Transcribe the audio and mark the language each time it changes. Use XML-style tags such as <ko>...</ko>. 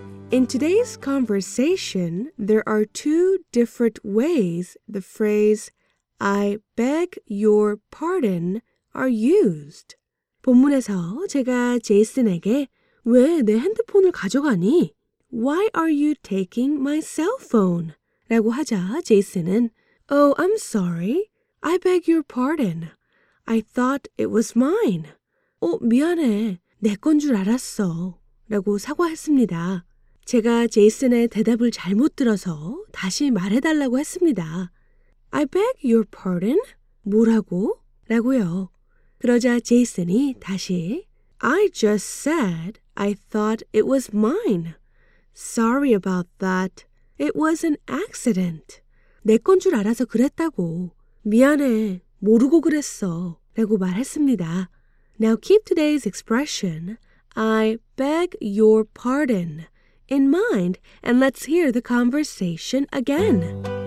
<en>In today's conversation, there are two different ways the phrase I beg your pardon are used.</en> <ko>본문에서 제가 제이슨에게 왜 내 핸드폰을 가져가니?</ko> <en>Why are you taking my cell phone?</en> <ko>라고 하자 제이슨은</ko> <en>Oh, I'm sorry. I beg your pardon. I thought it was mine.</en> <ko>어, 미안해. 내 건 줄 알았어. 라고 사과했습니다. 제가 제이슨의 대답을 잘못 들어서 다시 말해달라고 했습니다.</ko> <en>I beg your pardon?</en> <ko>뭐라고? 라고요. 그러자 제이슨이 다시</ko> <en>I just said I thought it was mine. Sorry about that. It was an accident.</en> <ko>내 건 줄 알아서 그랬다고. 미안해. 모르고 그랬어. 라고 말했습니다.</ko> <en>Now keep today's expression, I beg your pardon, in mind, and let's hear the conversation again.</en>